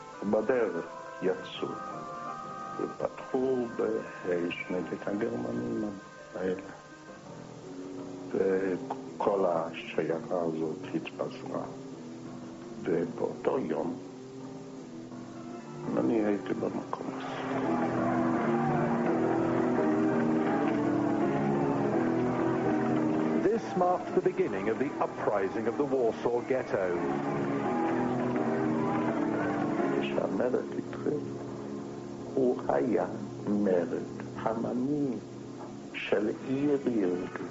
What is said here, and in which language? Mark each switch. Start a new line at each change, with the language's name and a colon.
Hebrew: בדרך יצאו ופתחו באש נגד הגרמנים האלה וכל השיירה הזאת התפזרה ובאותו יום אני הייתי במקום הזה.
English: This marked the beginning of the uprising of the Warsaw ghetto.
Hebrew: המרד התחיל, הוא היה מרד עממי של עיר יהודית.